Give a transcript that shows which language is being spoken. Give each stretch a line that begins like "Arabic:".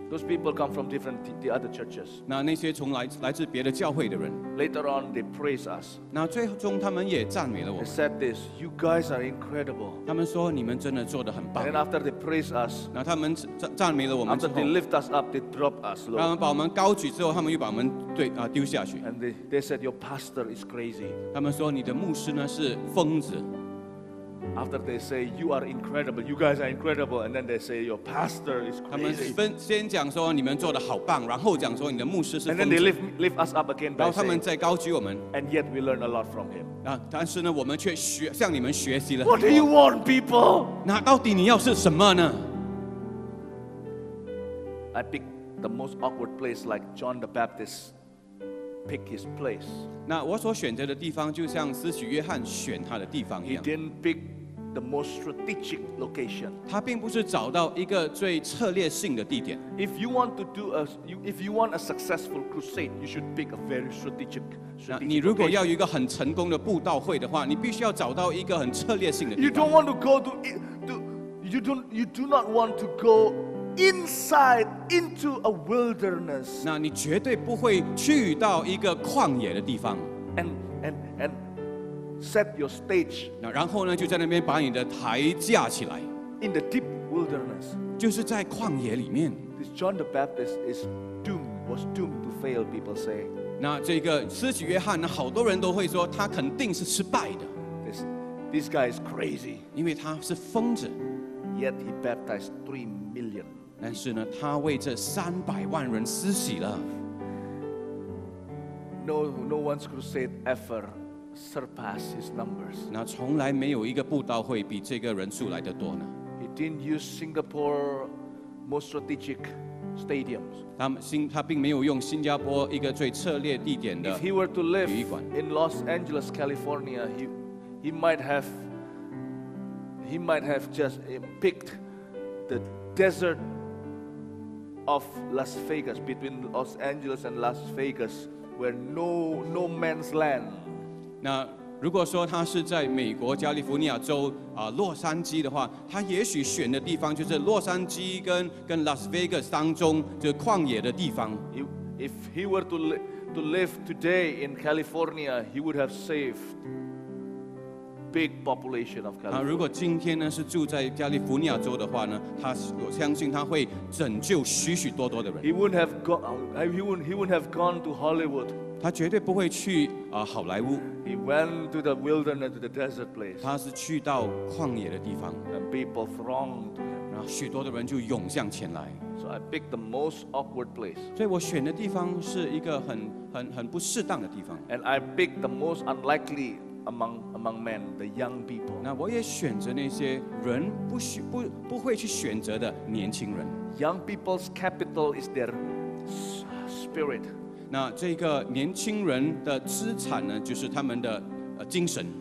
English: Those people come from different the other churches.
Chinese: 那些从来自别的教会的人。
English: Later on, they praise us.
Chinese: 那最终他们也赞美了我们。
English: They said this, "You guys are incredible."
Chinese: 他们说你们真的做得很棒。
English: And after they praise us,
Chinese: 那他们赞美了我们之后。
English: After they lift us up, they drop us low.
Chinese: 他们把我们高举之后，他们又把我们丢下去。
English: And they said, "Your pastor is crazy."
Chinese: 他们说你的牧师呢是疯子。
English: After they say you are incredible, you guys are incredible, and then they say your pastor is crazy.
Chinese: 他们先讲说你们做的好棒，然后讲说你的牧师是疯子。
English: And then they lift us up again.
Chinese: 然后他们再高举我们。
English: And yet we learn a lot from him.
Chinese: 那但是呢，我们却向你们学习了。
English: What do you want, people?
Chinese: 那到底你要是什么呢
English: ？I pick the most awkward place, like John the Baptist pick his place.
Chinese: 那我所选择的地方就像司洗约翰选他的地方一样。
English: He didn't pick the most strategic location.
Chinese: 他并不是找到一个最策略性的地点。
English: If you want to do if you want a successful crusade, you should pick a very strategic.
Chinese: 那你如果要有一个很成功的布道会的话，你必须要找到一个很策略性的地方。
English: You don't want to go to you do not want to go. Inside into a wilderness.
Chinese: 那你绝对不会去到一个旷野的地方。
English: And set your stage.
Chinese: 那然后呢，就在那边把你的台架起来。
English: In the deep wilderness.
Chinese: 就是在旷野里面。
English: This John the Baptist was doomed to fail. People say.
Chinese: 那这个施洗约翰呢，好多人都会说他肯定是失败的。
English: This guy is crazy.
Chinese: 因为他是疯子。
English: Yet he baptized 3 million.
Chinese: 但是呢，他为这300万人施洗了。
English: No one's crusade ever surpassed his numbers.
Chinese: 那从来没有一个布道会比这个人数来得多呢。
English: He did didn't use Singapore most strategic stadiums.
Chinese: 他并没有用新加坡一个最策略地点的体育馆。
English: If he were to live in Los Angeles, California, he might have just picked the desert of Las Vegas between Los Angeles and Las Vegas, where no man's land.
Chinese: 那如果说他是在美国加利福尼亚州洛杉矶的话，他也许选的地方就是洛杉矶跟 Las Vegas 当中这旷野的地方。
English: If he were to live today in California, he would have saved big population of California.
Chinese: 如果今天呢是住在加利福尼亚州的话呢，我相信他会拯救许许多多的人。
English: He wouldn't have gone to Hollywood.
Chinese: 他绝对不会去好莱坞。
English: He went to the wilderness, to the desert place.
Chinese: 他是去到旷野的地方。
English: And people thronged to him.
Chinese: 然后许多的人就涌向前来。
English: So I picked the most awkward place.
Chinese: 所以我选的地方是一个很不适当的地方。
English: And I picked the most unlikely among men, the young people.
Chinese: 那我也选择那些人不会去选择的年轻人。
English: Young people's capital is their spirit.
Chinese: 那这个年轻人的资产呢，就是他们的精神